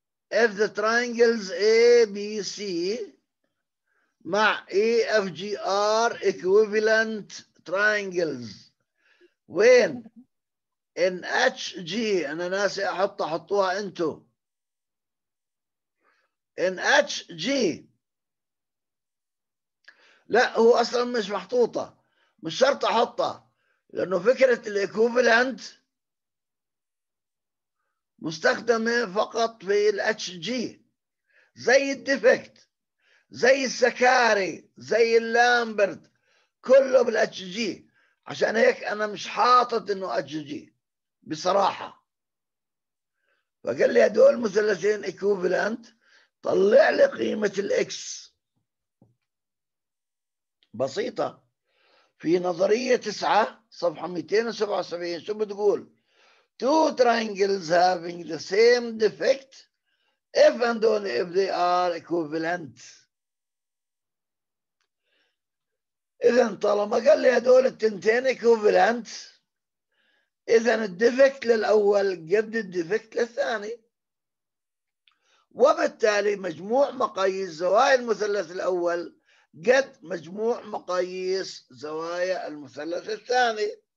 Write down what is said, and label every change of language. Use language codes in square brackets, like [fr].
[en] If the triangles ABC مع EFG are equivalent triangles when in HG، [ar] أنا ناسي أحط، حطوها أنتو. [en] In HG، [ar] لا هو أصلا مش محطوطة، مش شرط أحطها لأنه فكرة الإكوفلنت مستخدمة فقط في الـ HG، زي الديفكت، زي السكاري، زي اللامبرت، كله بالـ HG. عشان هيك أنا مش حاطط إنه HG بصراحة. فقال لي هدول مثلثين إكوفلنت، طلع لي قيمة الإكس. بسيطة، في نظرية 9 صفحة 277 شو بتقول؟ [en] Two triangles having the same defect if and only if they are equivalent. [ar] إذا طالما قال لي هدول التنتين equivalent، إذا الديفكت للأول قد الديفكت للثاني، وبالتالي مجموع مقاييس زوايا المثلث الأول قد مجموع مقاييس زوايا المثلث الثاني.